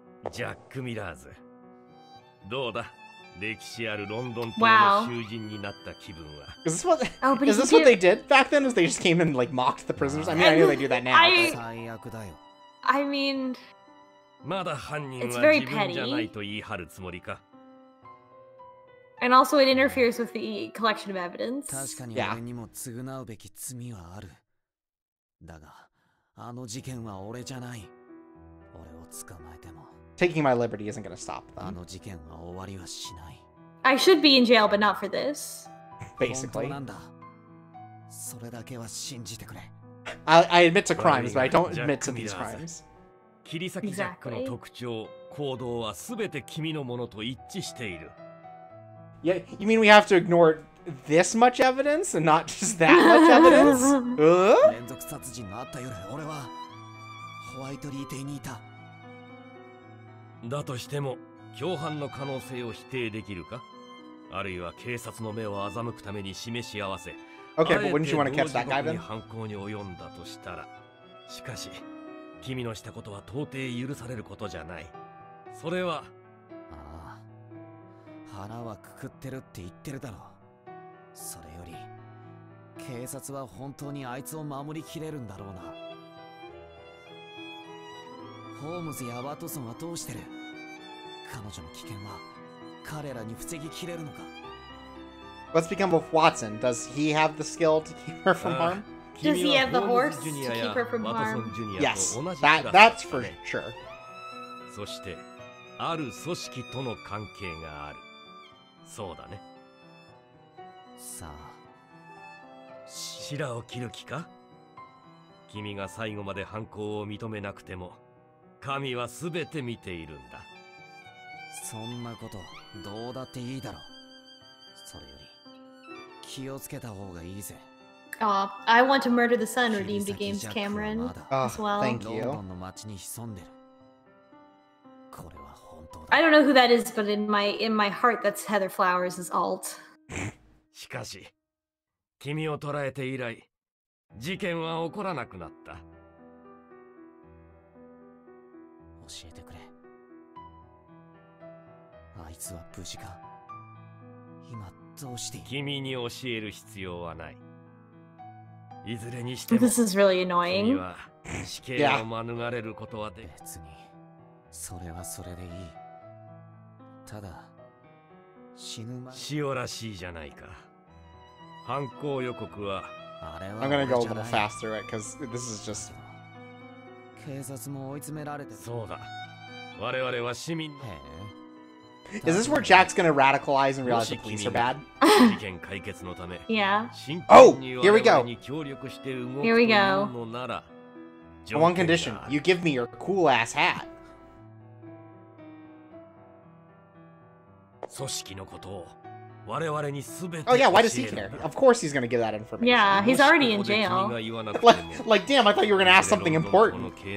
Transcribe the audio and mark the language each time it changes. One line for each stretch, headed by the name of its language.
Japanese: ジャック・ミラーズ、どうだ、歴史あるロンドン島の囚人になった気分は。
English: Wow. Is this what they did back then? Is they just came and like mocked the prisoners? I mean, I know they do that now. I mean,
Japanese: まだ犯人は自分じゃないと言い張るつもりか。
English: And also, it interferes with the collection of evidence.
Japanese: 確かに俺にも償うべき罪はある。だが、あの事件は俺じゃない。俺を捕まえても。
English: Taking my liberty isn't going to stop them.
Japanese: あの事件は終わりはしない。
English: I should be in jail, but not for this. Basically.
Japanese: 本当なんだ。それだけは信じてくれ。
English: I admit to crimes, but I don't admit to these crimes.
Japanese: 切り裂きジャックの特徴、行動は全て君のものと一致している。
English: Yeah, you mean we have to ignore this much evidence and not just that much evidence?
Japanese: 連続殺人のあった夜、俺はホワイトリーデイにいた。だとしても共犯の可能性を否定できるか、あるいは警察の目を欺くために示し合わせ、
English: okay, but wouldn't you want to catch that guy then?
Japanese: 犯行に及んだとしたら、しかし君のしたことは到底許されることじゃない。それは、ああ、腹はくくってるって言ってるだろう。それより警察は本当にあいつを守りきれるんだろうな。ホームズやワトソンはどうしてる？彼女の危険は彼らに防ぎきれるのか？
English: What's become of Watson? Does he have the skill to keep her from harm? Does he have the horse to keep her from harm? Yes, that's for sure.
Japanese: そしてある組織との関係がある。そうだね。さあ、シラを切る気か？君が最後まで犯行を認めなくても。神はすべて見ているんだ。そんなことどうだっていいだろう。それより気をつけた方がいいぜ。
English: I want to murder the sun, redeemed James Cameron as well. Thank you.
Japanese: ロンドンの街に潜んでる。これは本当だ。
English: I don't know who that is, but in my heart, that's Heather Flowers' alt.
Japanese: しかし、君を捕らえて以来、事件は起こらなくなった。教えてくれ。あいつは無事か？今どうして？君に教える必要はない。いずれにしても、
English: This is really annoying.
Japanese: 君は死刑を免れることはで、別にそれはそれでいい。ただ死ぬ前、死をらしいじゃないか。犯行予告は、あれは
English: I'm gonna go a little faster, right? Because this is just
Japanese: 警察も追い詰められてる。そうだ。我々は市民。へえ。
English: Is this where Jack's gonna radicalize and realize the police are bad?
Japanese: 事件解決のため。
English: Yeah. Oh, here we go. Here we go. One condition. You give me your cool ass hat.
Japanese: 組織のことを我々にすべて。
English: Oh yeah. Why does he care? Of course he's gonna give that information. Yeah. He's already in jail. like damn. I thought you were gonna ask something important.